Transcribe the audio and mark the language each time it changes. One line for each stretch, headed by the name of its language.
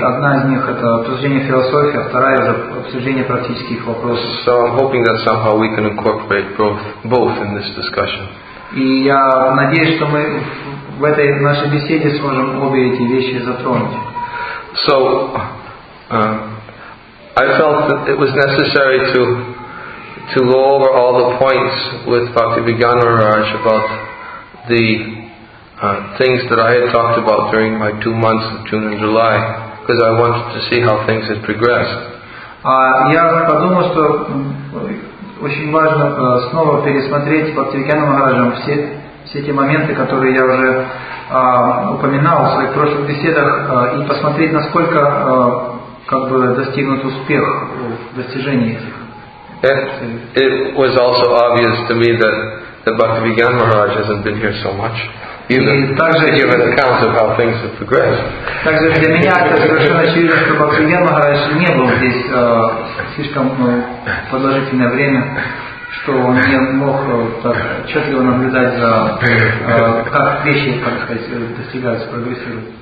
Russian: Одна из них это обсуждение философии, а вторая это обсуждение практических вопросов.
English: So I'm hoping that somehow we can incorporate both in this discussion.
Russian: И я надеюсь, что мы в этой нашей беседе сможем обе эти вещи затронуть.
English: So it was necessary to go over all the points with Bhakti Vijnana Maharaj about the things that I had talked about during my 2 months of June and July, because I wanted to see how things had progressed.
Russian: Я подумал, что очень важно снова пересмотреть Бхакти Вигьяна Махараджам все те моменты, которые я уже упоминал в своих прошлых беседах, и посмотреть, насколько как бы достигнут успех в достижении этих.
English: It was also obvious to me that Bhakti Vigyana Maharaj hasn't been here so much.
Russian: Также,
English: to give an account of how things have progressed.
Russian: Также для меня это совершенно очевидно, что Бхакти Вигьяна Махарадж не был здесь слишком продолжительное время, что он не мог так четко наблюдать за как вещи, как сказать, достигаются, прогрессируют.